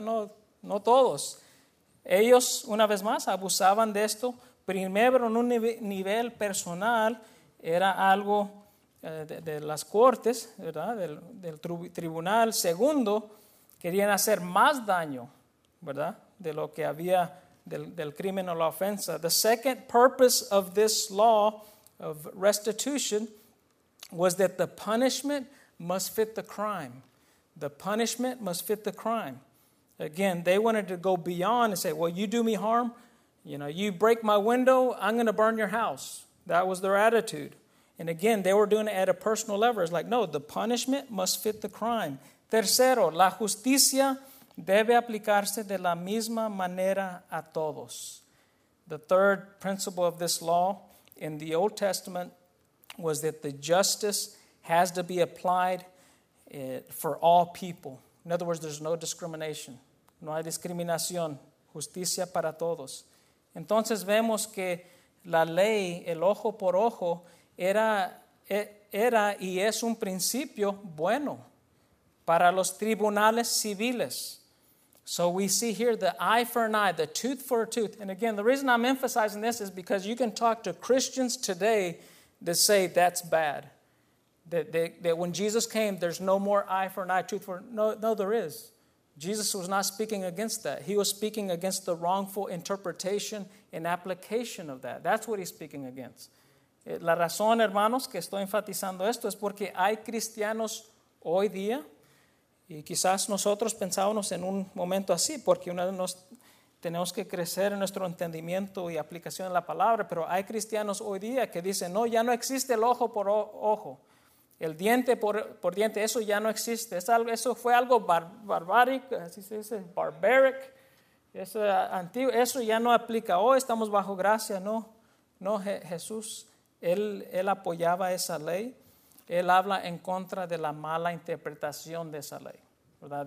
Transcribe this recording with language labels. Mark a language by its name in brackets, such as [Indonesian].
[Spanish] No todos. Ellos, una vez más, abusaban de esto. Primero, en un nivel personal, era algo de las cortes, ¿verdad? Del tribunal. Segundo, querían hacer más daño, ¿verdad? De lo que había del crimen o la ofensa. [English] The second purpose of this law of restitution was that the punishment must fit the crime. The punishment must fit the crime. Again, they wanted to go beyond and say, well, you do me harm, you know, you break my window, I'm going to burn your house. That was their attitude. And again, they were doing it at a personal level. It's like, no, the punishment must fit the crime. [Spanish] Tercero, la justicia debe aplicarse de la misma manera a todos. [English] The third principle of this law in the Old Testament was that the justice has to be applied for all people. In other words, there's no discrimination. [Spanish] No hay discriminación. Justicia para todos. Entonces vemos que la ley, el ojo por ojo, era y es un principio bueno para los tribunales civiles. [English] So we see here the eye for an eye, the tooth for a tooth. And again, the reason I'm emphasizing this is because you can talk to Christians today to say that's bad, that when Jesus came, there's no more eye for an eye, tooth for an eye. No, there is. Jesus was not speaking against that. He was speaking against the wrongful interpretation and application of that. That's what he's speaking against. [Spanish] La razón, hermanos, que estoy enfatizando esto es porque hay cristianos hoy día, y quizás nosotros pensábamos en un momento así, porque una de tenemos que crecer en nuestro entendimiento y aplicación de la palabra, pero hay cristianos hoy día que dicen, no, ya no existe el ojo por ojo, el diente por diente, eso ya no existe, eso fue algo barbaric, así se dice, barbaric, eso antiguo, eso ya no aplica, hoy estamos bajo gracia, no, Jesús, él apoyaba esa ley, él habla en contra de la mala interpretación de esa ley. ¿Verdad?